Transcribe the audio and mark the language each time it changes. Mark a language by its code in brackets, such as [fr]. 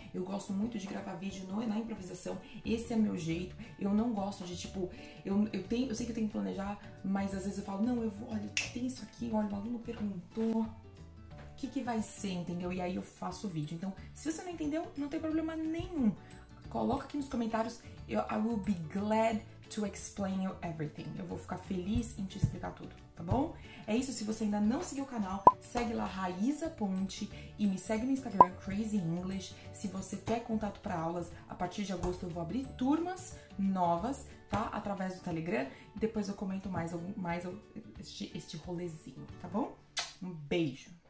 [pt] Eu gosto muito de gravar vídeo na improvisação, esse é meu jeito. Eu não gosto de, tipo, eu sei que eu tenho que planejar, mas às vezes eu falo, não, eu vou, olha, tem isso aqui, olha, o aluno perguntou. O que vai ser, entendeu? E aí eu faço o vídeo. Então, se você não entendeu, não tem problema nenhum. Coloca aqui nos comentários. [en] I will be glad to explain you everything. [pt] Eu vou ficar feliz em te explicar tudo, tá bom? É isso. Se você ainda não seguiu o canal, segue lá, Raíza Ponte. E me segue no Instagram, Crazy English. Se você quer contato para aulas, a partir de agosto eu vou abrir turmas novas, tá? Através do Telegram. Depois eu comento mais este rolezinho, tá bom? Um beijo.